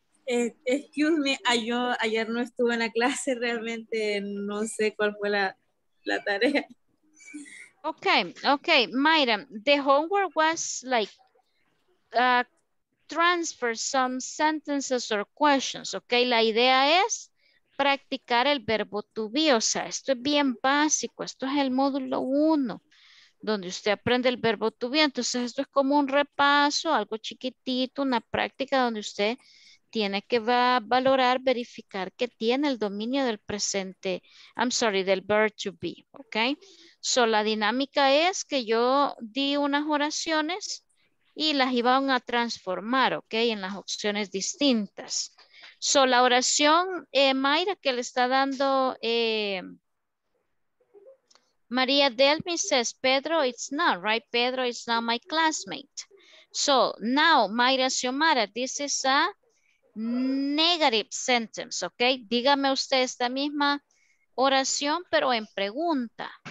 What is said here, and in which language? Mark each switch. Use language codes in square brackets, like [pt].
[en] Excuse me, [es] yo ayer no estuve en la clase, realmente no sé cuál fue la tarea. [en] Okay, Mayra. The homework was like transfer some sentences or questions, okay? [es] La idea es practicar el verbo to be, o sea, esto es bien básico, esto es el módulo 1, donde usted aprende el verbo to be, entonces esto es como un repaso, algo chiquitito, una práctica donde usted tiene que valorar, verificar que tiene el dominio del presente, [en] I'm sorry, [es] del verb to be, [en] ok, so [es] la dinámica es que yo di unas oraciones y las iban a transformar, ok, en las opciones distintas. [en] So, [es] la oración, [en] Mayra, [es] que le está dando [en] María Delmi, says, Pedro, it's not, right? Pedro is not my classmate. So now, Mayra Xiomara, this is a negative sentence, okay? [es] Dígame usted esta misma oración, pero en pregunta.